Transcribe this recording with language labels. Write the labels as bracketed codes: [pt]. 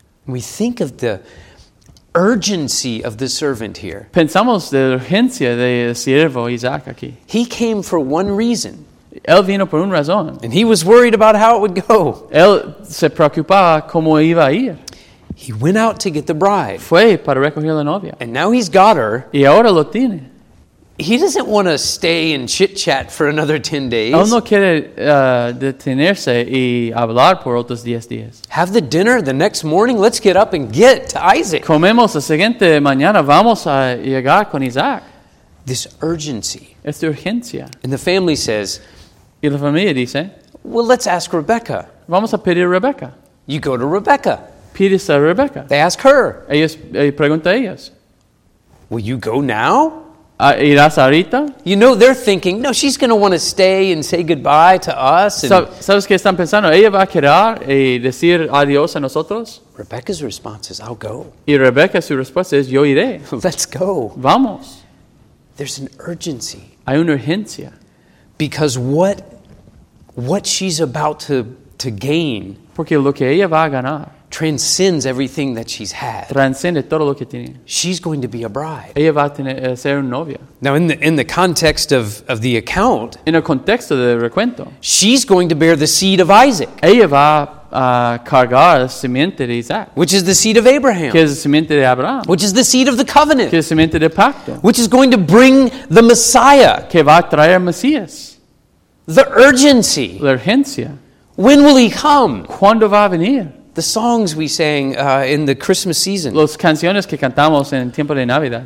[en] We think of the urgency of the servant here. [es] Pensamos de la urgencia del siervo Isaac aquí. [en] He came for one reason. [es] Él vino por una razón. [en] And he was worried about how it would go. [es] Él se preocupaba cómo iba a ir. [en] He went out to get the bride. [es] Fue para recoger la novia. [en] And now he's got her. [es] Y ahora lo tiene. [en] He doesn't want to stay and chit-chat for another 10 days. [es] Él no quiere detenerse y hablar por otros 10 días. [en] Have the dinner the next morning. Let's get up and get to Isaac. [es] Comemos la siguiente mañana. Vamos a llegar con Isaac. [en] This urgency. [es] Es de urgencia. [en] And the family says, [es] y la familia dice, [en] well, let's ask Rebecca. [es] Vamos a pedir a Rebecca. [en] You go to Rebecca. [es] Pides a Rebecca. [en] They ask her. [es] Ellos, pregunta a ellas. [en] Will you go now? [es] ¿Irás ahorita? [en] You know, they're thinking, no, she's going to want to stay and say goodbye to us. [es] ¿Sabes qué están pensando? ¿Ella va a quedar y decir adiós a nosotros? [en] Rebecca's response is, I'll go. [es] Y Rebecca, su respuesta es, yo iré. [en] Let's go. [es] Vamos. [en] There's an urgency. [es] Hay una urgencia. [en] Because what she's about to gain, [es] porque lo que ella va a ganar, [en] transcends everything that she's had. [es] Transcende todo lo que tiene. [en] She's going to be a bride. [es] Ella va a tener, ser una novia. [en] Now in the context of the account, [es] en el contexto del recuento, [en] she's going to bear the seed of Isaac. [es] Ella va cargar la simiente de Isaac, [en] which is the seed of Abraham, [es] que es la simiente de Abraham, [en] which is the seed of the covenant, [es] que es la simiente de pacto, [en] which is going to bring the Messiah, [es] que va a traer Mesías. [en] The urgency. [es] La urgencia. [en] When will he come? [es] ¿Cuándo va a venir? [en] The songs we sang in the Christmas season. [es] Los canciones que cantamos en tiempo de Navidad.